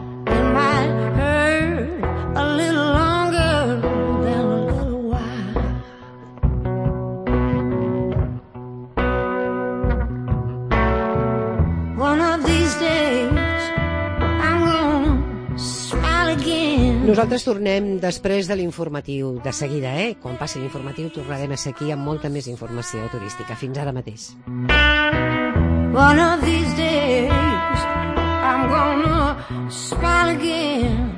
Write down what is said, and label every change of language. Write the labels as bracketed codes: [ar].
[en] And might hurt a little longer than a little while. One of these days I'm gonna smile again. [ca] Nosaltres tornem després de l'informatiu, de seguida, eh? Quan passi l'informatiu, tornarem a ser aquí amb molta més informació turística. Fins ara mateix. [en] One of these days I'm gonna smile again.